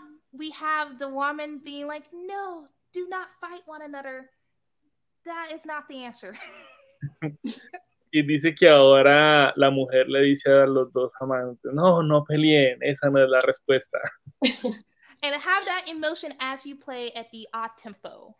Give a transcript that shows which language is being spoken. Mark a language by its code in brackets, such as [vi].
[en] We have the woman being like, no, do not fight one another. That is not the answer. [es] Y dice que ahora la mujer le dice a los dos amantes, no, no peleen, esa no es la respuesta. [en] And have that emotion as you play at the a tempo.